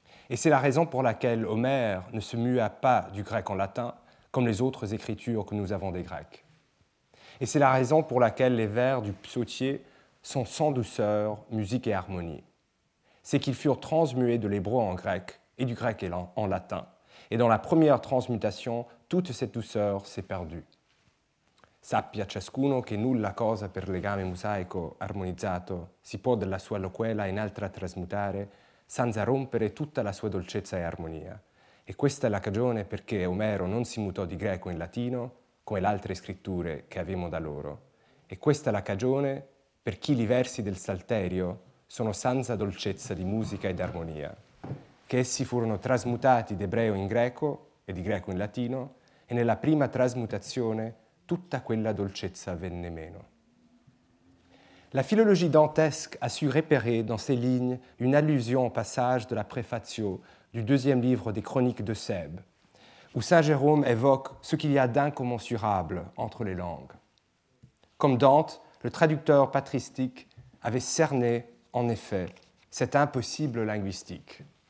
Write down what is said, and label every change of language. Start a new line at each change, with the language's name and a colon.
French: Et c'est la raison pour laquelle Homère ne se mua pas du grec en latin, comme les autres écritures que nous avons des Grecs. Et c'est la raison pour laquelle les vers du psautier sont sans douceur, musique et harmonie. C'est qu'ils furent transmués de l'hébreu en grec et du grec en latin. Et dans la première transmutation, toute cette douceur s'est perdue.
Italian: Sappia ciascuno che nulla cosa per legame mosaico armonizzato si può della sua loquela in altra trasmutare senza rompere tutta la sua dolcezza e armonia. E questa è la cagione perché Omero non si mutò di greco in latino come le altre scritture che avevamo da loro. E questa è la cagione per chi i versi del Salterio sono senza dolcezza di musica e d'armonia. Che essi furono trasmutati d'ebreo in greco e di greco in latino, e nella prima trasmutazione tutta quella dolcezza venne meno.
French: La philologie dantesque a su repérer dans ces lignes une allusion au passage de la Préfatio du deuxième livre des Chroniques de Sèbe, où saint Jérôme évoque ce qu'il y a d'incommensurable entre les langues. Comme Dante, le traducteur patristique avait cerné, en effet, cet impossible linguistique.